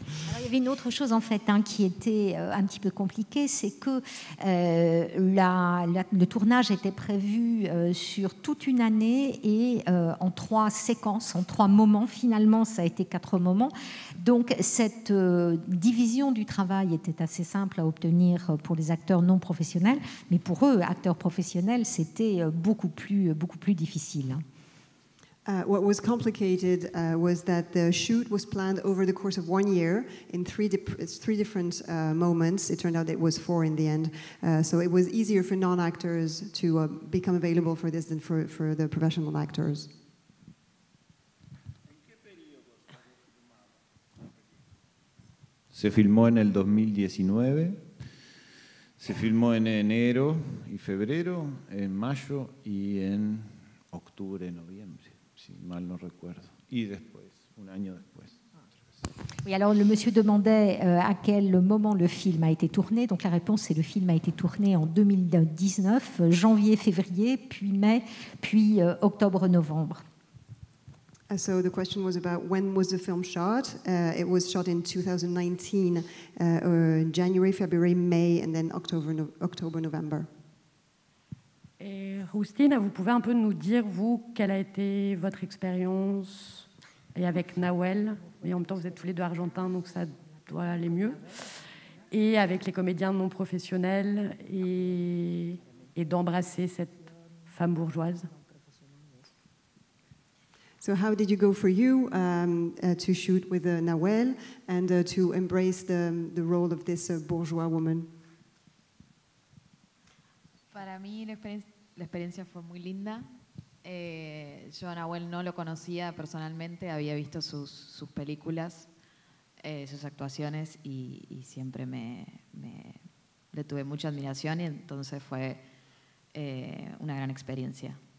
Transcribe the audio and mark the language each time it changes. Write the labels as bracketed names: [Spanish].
[French] Alors, il y avait une autre chose en fait qui était un petit peu compliquée, c'est que le tournage était prévu sur toute une année et en trois séquences, en trois moments. Finalement, ça a été quatre moments. Donc cette division du travail était assez simple à obtenir pour les acteurs non professionnels, mais pour eux, acteurs professionnels, c'était beaucoup plus difficile. [English] What was complicated was that the shoot was planned over the course of 1 year in three different moments. It turned out it was four in the end. So it was easier for non-actors to become available for this than for the professional actors. [Spanish] Se filmó en el 2019. Se filmó en enero y febrero, en mayo y en octubre, noviembre. Si mal no recuerdo. Y después, un año después. [French] Oui, alors le monsieur demandait à quel moment le film a été tourné. Donc la réponse, c'est le film a été tourné en 2019, janvier, février, puis mai, puis octobre, novembre. [English] So the question was about when was the film shot? It was shot in 2019, January, February, May, and then October, November. [French] Et Roustine, vous pouvez un peu nous dire, vous, quelle a été votre expérience et avec Nawel, mais en même temps, vous êtes tous les deux argentins, donc ça doit aller mieux, et avec les comédiens non professionnels, et d'embrasser cette femme bourgeoise. [English] So how did you go for you to shoot with Nawel and to embrace the role of this bourgeois woman? [Spanish] Para mí, la experiencia fue muy linda. Yo a Nahuel no lo conocía personalmente, había visto sus películas, sus actuaciones y siempre me le tuve mucha admiración y entonces fue una gran experiencia.